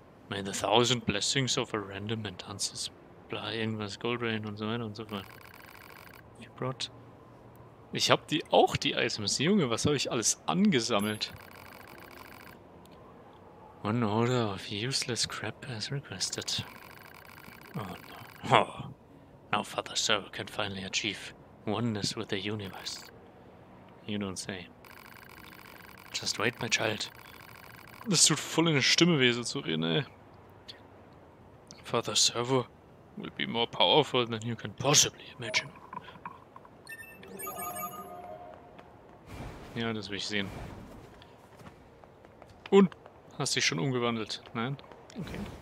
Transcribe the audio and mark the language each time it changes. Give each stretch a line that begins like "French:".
English: May the thousand blessings of a random and answers.
German: Bla, irgendwas, Gold Rain und so weiter und so fort.
English: You brought.
German: Ich hab die auch, die Items. Junge, was habe ich alles angesammelt?
English: One order of useless crap as requested. Oh no. Oh. Now Father Servo can finally achieve oneness with the universe. You don't say. Just wait, my child.
German: Das tut voll in der Stimme weh, so zu reden, ey.
English: Father Servo will be more powerful than you can possibly imagine.
German: Ja, das will ich sehen. Und? Hast dich schon umgewandelt? Nein? Okay.